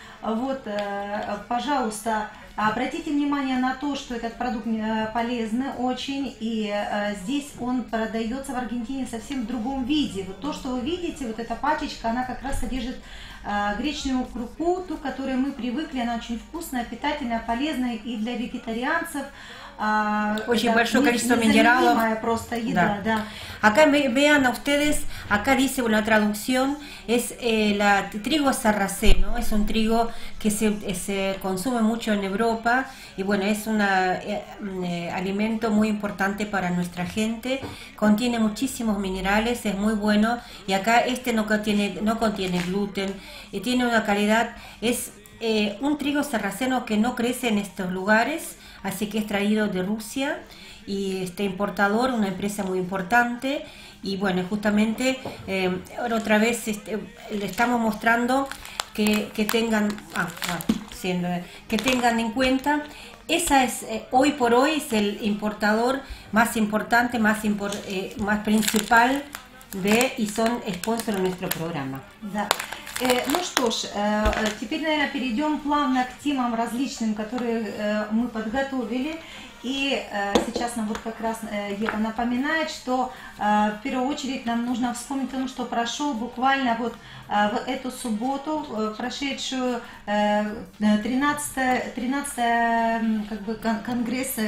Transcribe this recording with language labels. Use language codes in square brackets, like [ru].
[ru] Вот, пожалуйста, обратите внимание на то, что этот продукт полезный очень, и здесь он продается в Аргентине совсем в другом виде. Вот то, что вы видите, вот эта пачечка, она как раз содержит гречневую крупу, ту, к которой мы привыкли, она очень вкусная, питательная, полезная и для вегетарианцев. Очень большое количество минералов. Незаменимая просто еда, да. [es] Acá vean ustedes, acá dice una traducción, es el trigo sarraceno, es un trigo que se consume mucho en Europa y bueno, es un alimento muy importante para nuestra gente, contiene muchísimos minerales, es muy bueno y acá este no contiene gluten, y tiene una calidad, es un trigo sarraceno que no crece en estos lugares, así que es traído de Rusia. Y este importador, una empresa muy importante, y bueno, justamente otra vez le estamos mostrando que tengan en cuenta, esa es hoy por hoy es el importador más importante, más principal de y son sponsor de nuestro programa. [ru] Да. Ну что ж, теперь, наверное, перейдем плавно к темам различным, которые мы подготовили. И сейчас нам вот как раз Ева напоминает, что в первую очередь нам нужно вспомнить о том, что прошел буквально вот в эту субботу, прошедшую 13 как бы конгресс.